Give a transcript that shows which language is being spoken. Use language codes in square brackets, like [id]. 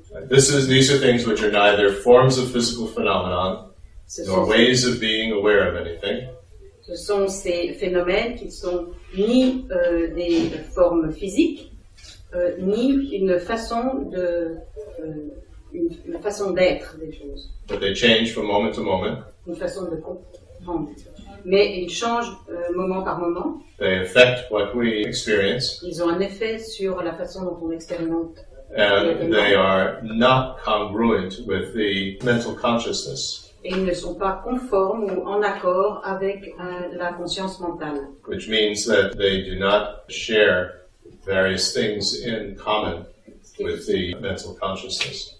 [en] These are things which are neither forms of physical phenomenon nor ways of being aware of anything. [fr] Ce sont ces phénomènes qui ne sont ni des formes physiques, ni une façon d'être des choses. [en] But they change from moment to moment. [fr] Une façon de comprendre. Mais ils changent moment par moment. [en] They affect what we experience. [fr] Ils ont un effet sur la façon dont on expérimente. [en] And they are not congruent with the mental consciousness. [fr] Et ils ne sont pas conformes ou en accord avec la conscience mentale. [en] Which means that they do not share various things in common with the mental consciousness.